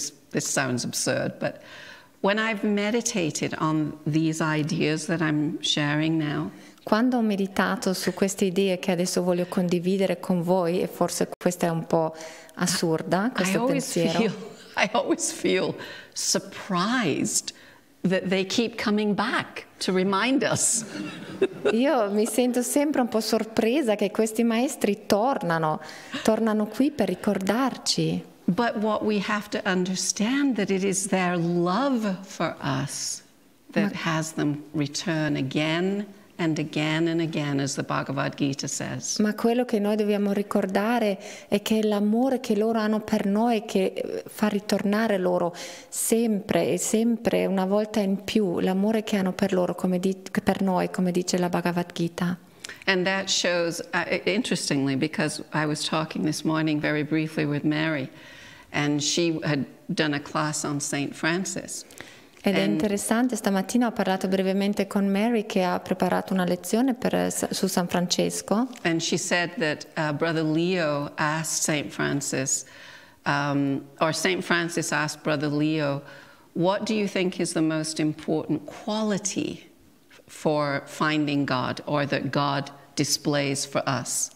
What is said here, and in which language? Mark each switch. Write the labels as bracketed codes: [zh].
[en] This sounds absurd, but when I've meditated on these ideas that I'm sharing now, [it] quando ho meditato su queste idee che adesso voglio condividere con voi, e forse questa è un po' assurda, questo pensiero. [en] I always feel surprised that they keep coming back to remind us. [it] Io mi sento sempre un po' sorpresa che questi maestri tornano qui per ricordarci. [en] But what we have to understand that it is their love for us that has them return again and again and again, as the Bhagavad Gita says. [it] Ma quello che noi dobbiamo ricordare è che è l'amore che loro hanno per noi che fa ritornare loro sempre e sempre, una volta in più, l'amore che hanno per loro, per noi, come dice la Bhagavad Gita. [en] And that shows, interestingly, because I was talking this morning very briefly with Mary, and she had done a class on Saint Francis. [it] Ed è interessante, stamattina ho parlato brevemente con Mary, che ha preparato una lezione su San Francesco. [en] And she said that Brother Leo asked Saint Francis, or Saint Francis asked Brother Leo, What do you think is the most important quality for finding God, or that God displays for us?